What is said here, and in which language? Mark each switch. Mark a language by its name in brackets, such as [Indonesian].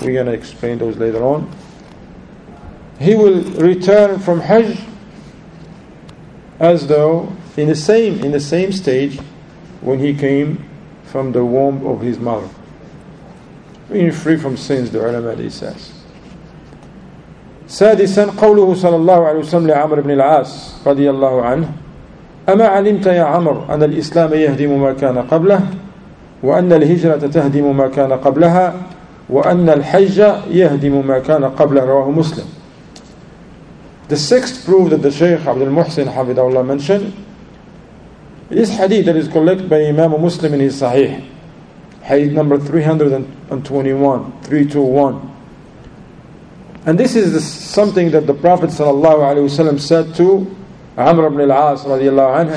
[English] We're going to explain those later on. He will return from Hajj as though in the same stage when he came from the womb of his mother, being free from sins, the ulama says. [Arabic] سادسا قوله صلى الله عليه وسلم لعمر بن العاص رضي الله عنه أما علمت يا عمر أن الإسلام يهدم ما كان قبله وأن الهجرة تهدم ما كان قبلها وأن الحج يهدم ما كان قبله رواه مسلم. [English] The sixth proof that the Shaykh Abdul Muhsin Hafidhahullah mentioned, this hadith that is collected by Imam Muslim in his Sahih, hadith number 321. And this is something that the Prophet ﷺ said to Amr ibn al-As radiallahu anhu.